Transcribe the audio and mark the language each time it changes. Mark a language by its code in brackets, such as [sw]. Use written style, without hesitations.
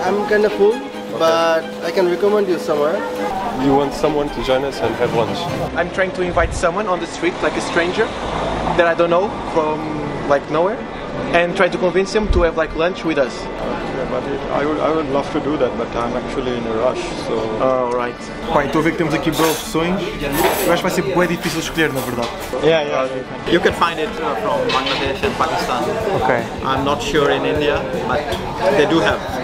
[en] I'm kind of full, but okay. I can recommend you somewhere. You want someone to join us and have lunch? I'm trying to invite someone on the street, like a stranger that I don't know from like nowhere, and try to convince him to have like lunch with us. I would love to do that, but I'm actually in a rush, so. Alright. [pt] Pai, estou a ver que temos aqui boas opções. Eu acho que vai ser bem difícil escolher, na verdade. [en] Yeah. You can find it from Bangladesh and Pakistan. Okay. I'm not sure in India, but they do have.